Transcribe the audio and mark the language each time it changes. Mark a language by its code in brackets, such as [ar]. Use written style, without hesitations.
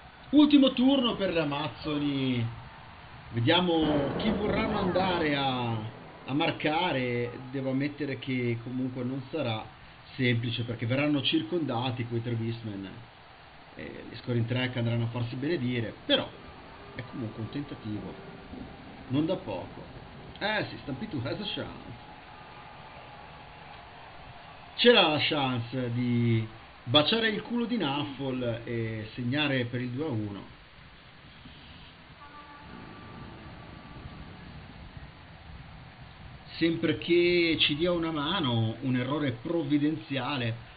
[it] Ultimo turno per le Amazzoni. Vediamo chi vorrà andare a marcare. Devo ammettere che comunque non sarà semplice, perché verranno circondati quei tre beastmen e gli scoring track andranno a farsi benedire, però è comunque un tentativo non da poco. Eh sì, [en] Stampede has a chance. [it] C'era la chance di baciare il culo di Nuffle e segnare per il 2-1. Sempre che ci dia una mano, un errore provvidenziale,